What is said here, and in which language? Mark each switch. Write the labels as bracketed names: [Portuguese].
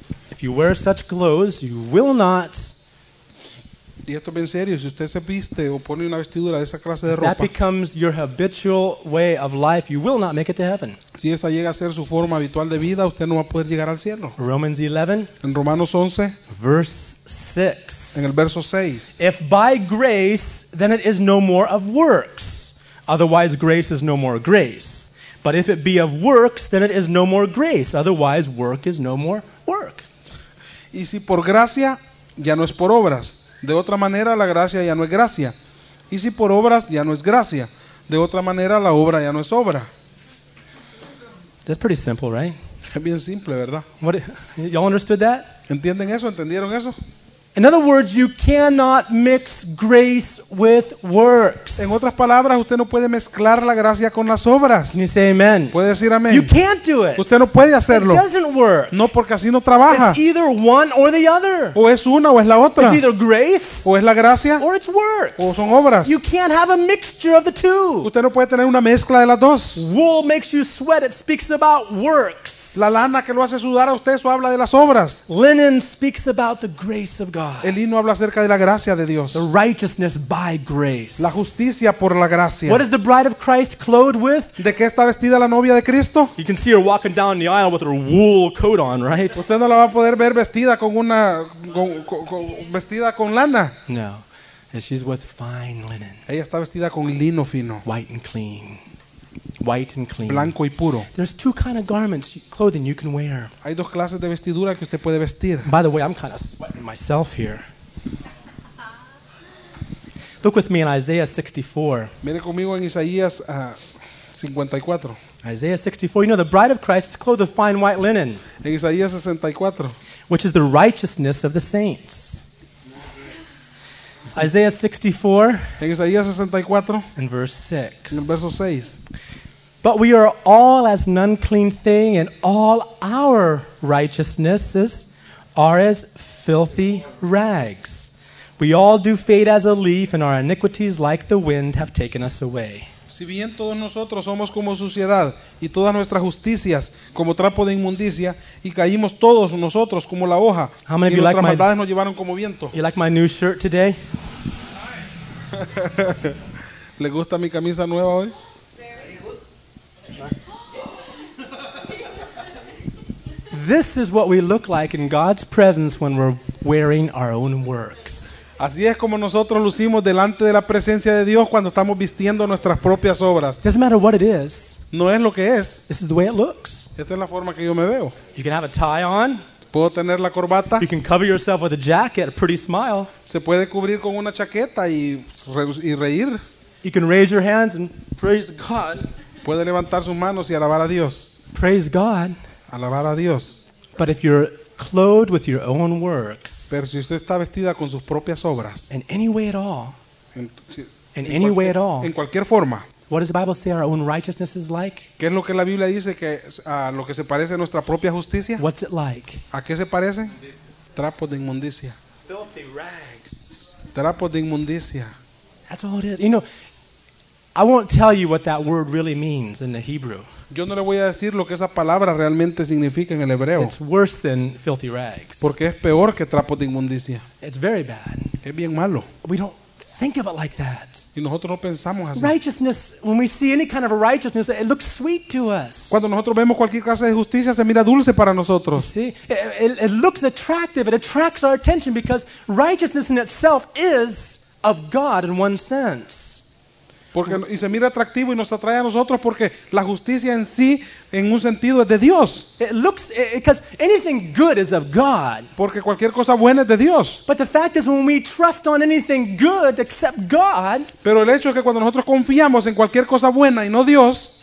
[English] If you wear such clothes, you will not. [Spanish] Y esto es bien serio. Si usted se viste o pone una vestidura de esa clase de [English] that [Spanish] ropa, [English] that becomes your habitual way of life. You will not make it to heaven. [Spanish] Si esa llega a ser su forma habitual de vida, usted no va a poder llegar al cielo. [English] Romans 11. [Spanish] En Romanos 11. [English] Verse 6. [Spanish] En el verso 6. [English] If by grace, then it is no more of works. Otherwise, grace is no more grace. But if it be of works, then it is no more grace. Otherwise, work is no more work. [Spanish] Y si por gracia, ya no es por obras. De otra manera, la gracia ya no es gracia. Y si por obras, ya no es gracia. De otra manera, la obra ya no es obra. [English] That's pretty simple, right? [Spanish] Es bien simple, ¿verdad? [English] What, y'all understood that? [Spanish] ¿Entienden eso? ¿Entendieron eso? [English] In other words, you cannot mix grace with works. [Spanish] En otras palabras, usted no puede mezclar la gracia con las obras. [English] Can you say amen? [Spanish] ¿Puede decir amén? [English] You can't do it. [Spanish] Usted no puede hacerlo. [English] It doesn't work. [Spanish] No, porque así no trabaja. [English] It's either one or the other. [Spanish] O es una o es la otra. [English] It's either grace [Spanish] o es la gracia [English] or it's works. [Spanish] O son obras. [English] You can't have a mixture of the two. [Spanish] Usted no puede tener una mezcla de las dos. [English] Wool makes you sweat. It speaks about works. [Spanish] La lana que lo hace sudar a usted, eso habla de las obras. [English] Linen speaks about the grace of God. [Spanish] El lino habla acerca de la gracia de Dios. [English] The righteousness by grace. [Spanish] La justicia por la gracia. [English] What is the bride of Christ clothed with? [Spanish] ¿De qué está vestida la novia de Cristo? [English] You can see her walking down the aisle with her wool coat on, right? [Spanish] Usted no la va a poder ver vestida con una vestida con lana. [English] No. And she's with fine linen. [Spanish] Ella está vestida con lino fino. [English] White and clean. White and clean. [Spanish] Blanco y puro. [English] There's two kind of garments, clothing you can wear. [Spanish] Hay dos clases de vestidura que usted puede vestir. [English] By the way, I'm kind of sweating myself here. Look with me in Isaiah 64. [Spanish] Mire conmigo en Isaías 54. [English] Isaiah 64. You know, the bride of Christ is clothed with fine white linen. [Spanish] En Isaías 64. [English] Which is the righteousness of the saints. Isaiah 64. [Spanish] En Isaías 64. [English] In verse 6. [Spanish] En verso 6. [English] But we are all as an unclean thing, and all our righteousnesses are as filthy rags. We all do fade as a leaf, and our iniquities, like the wind, have taken us away. [Spanish] Si bien todos nosotros somos como suciedad, y todas nuestras justicias como trapo de inmundicia, y caímos todos nosotros como la hoja, y nuestras maldades nos llevaron como viento. [English] You like my new shirt today? [Spanish] ¿Le gusta mi camisa nueva hoy? [English] This is what we look like in God's presence when we're wearing our own works. [Spanish] Así es como nosotros lucimos delante de la presencia de Dios cuando estamos vistiendo nuestras propias obras. [English] It doesn't matter what it is. [Spanish] No es lo que es. [English] This is the way it looks. [Spanish] Esta es la forma que yo me veo. [English] You can have a tie on. [Spanish] Puedo tener la corbata. [English] You can cover yourself with a jacket, a pretty smile. [Spanish] Se puede cubrir con una chaqueta y reír. [English] You can raise your hands and praise God. [Spanish] Puede levantar sus manos y alabar a Dios. [English] Praise God. [Spanish] Alabar a Dios. [English] But if you're clothed with your own works, [Spanish] pero si usted está vestida con sus propias obras, [English] in any way at all, [Spanish] en cualquier forma, [English] what does the Bible say our own righteousness is like? [Spanish] ¿Qué es lo que la Biblia dice que a lo que se parece a nuestra propia justicia? [English] What's it like? [Spanish] ¿A qué se parece? Trapos de inmundicia. [English] filthy rags. [Spanish] Trapos de inmundicia. [English] That's all it is. You know, I won't tell you what that word really means in the Hebrew. [Spanish] Yo no le voy a decir lo que esa palabra realmente significa en el hebreo. [English] It's worse than filthy rags. [Spanish] Porque es peor que trapos de inmundicia. [English] It's very bad. [Spanish] Es bien malo. [English] We don't think of it like that. [Spanish] Y nosotros no pensamos así. [English] Righteousness, when we see any kind of righteousness, it looks sweet to us. [Spanish] Cuando nosotros vemos cualquier clase de justicia, se mira dulce para nosotros. [English] You see, it looks attractive. It attracts our attention because righteousness in itself is of God in one sense. [Spanish] Porque, y se mira atractivo y nos atrae a nosotros porque la justicia en sí, en un sentido, es de Dios. [English] It looks, because anything good is of God. [Spanish] Porque cualquier cosa buena es de Dios. [English] But the fact is, when we trust on anything good except God, [Spanish] pero el hecho es que cuando nosotros confiamos en cualquier cosa buena y no Dios,